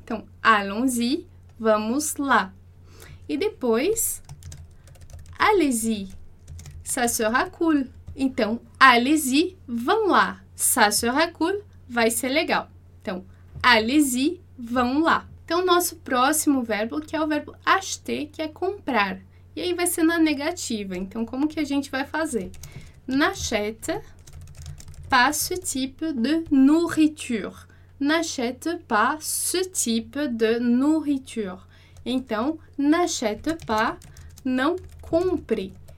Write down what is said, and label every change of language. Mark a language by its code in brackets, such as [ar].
[pt] Então, [fr] allons-y, [pt] vamos lá. E depois, [fr] allez-y, ça sera cool. [pt] Então, [fr] allez-y, [pt] vão lá, [fr] ça sera cool, [pt] vai ser legal. Então, [fr] allez-y, [pt] vão lá. Então, nosso próximo verbo, que é o verbo acheter, que é comprar. E aí, vai ser na negativa. Então, como que a gente vai fazer? [fr] N'achète pas ce type de nourriture. N'achète pas ce type de nourriture. [pt] Então, [fr] n'achète pas, [pt] não compre.